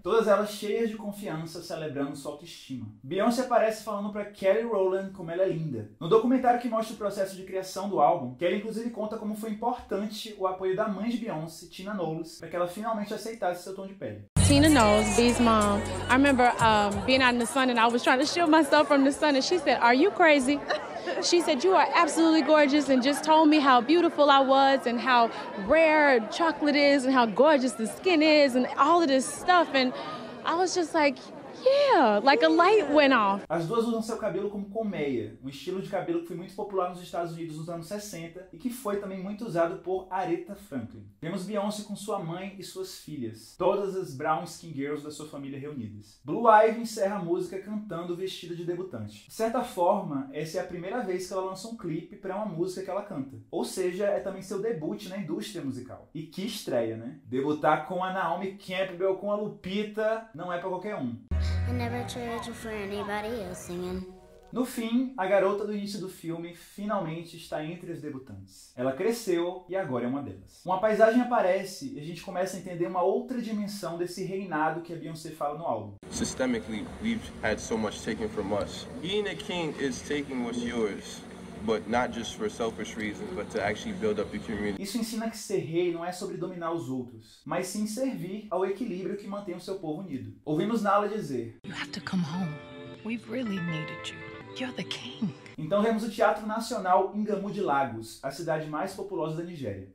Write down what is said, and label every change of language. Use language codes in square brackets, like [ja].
[pt] Todas elas cheias de confiança, celebrando sua autoestima. Beyoncé aparece falando para Kelly Rowland como ela é linda. No documentário que mostra o processo de criação do álbum, Kelly inclusive conta como foi importante o apoio da mãe de Beyoncé, Tina Knowles, para que ela finalmente aceitasse seu tom de pele. [en] Tina Knowles, B's mom. I remember being out in the sun and I was trying to shield myself from the sun and she said, are you crazy? She said, you are absolutely gorgeous and just told me how beautiful I was and how rare chocolate is and how gorgeous the skin is and all of this stuff. And I was just like, yeah, like a light went off. [pt] As duas usam seu cabelo como colmeia, um estilo de cabelo que foi muito popular nos Estados Unidos nos anos 60 e que foi também muito usado por Aretha Franklin. Vemos Beyoncé com sua mãe e suas filhas, todas as [en] brown skin girls [pt] da sua família reunidas. Blue Ivy encerra a música cantando vestida de debutante. De certa forma, essa é a primeira vez que ela lança um clipe para uma música que ela canta. Ou seja, é também seu debut na indústria musical. E que estreia, né? Debutar com a Naomi Campbell, com a Lupita, não é para qualquer um. [en] I never cheered you for anybody else singing. [pt] No fim, a garota do início do filme finalmente está entre as debutantes. Ela cresceu e agora é uma delas. Uma paisagem aparece e a gente começa a entender uma outra dimensão desse reinado que a Beyoncé fala no álbum. [en] Systemically, we've had so much taken from us. Being a king is taking what's yours. But not just for selfish reasons, but to actually build up your community. [pt] Isso ensina que ser rei não é sobre dominar os outros, mas sim servir ao equilíbrio que mantém o seu povo unido. Ouvimos Nala dizer: [en] You have to come home. We really needed you. You're the king. [pt] Então vemos o Teatro Nacional Ngamu de Lagos, a cidade mais populosa da Nigéria.